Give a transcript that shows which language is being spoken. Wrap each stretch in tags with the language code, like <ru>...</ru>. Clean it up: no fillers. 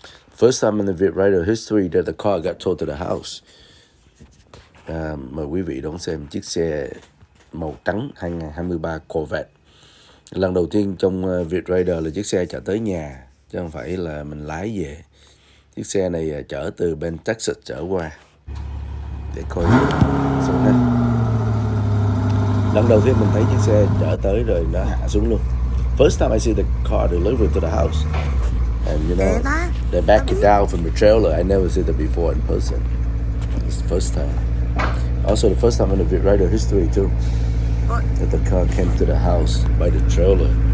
<en>First time in the Vietrider history that the car got towed to the house.</en> <vi>Mời quý vị đón xem chiếc xe màu trắng 2023 Corvette. Lần đầu tiên trong Vietrider là chiếc xe chở tới nhà, chứ không phải là mình lái về. Chiếc xe này chở từ bên Texas chở qua. Để coi xuống nè. Lần đầu tiên mình thấy chiếc xe chở tới rồi nó hạ xuống luôn.</vi> <en>First time I see the car delivered to the house. And you know, they back it down from the trailer. I never see that before in person. It's the first time. Also the first time in the Vietrider history too. That the car came to the house by the trailer.</en>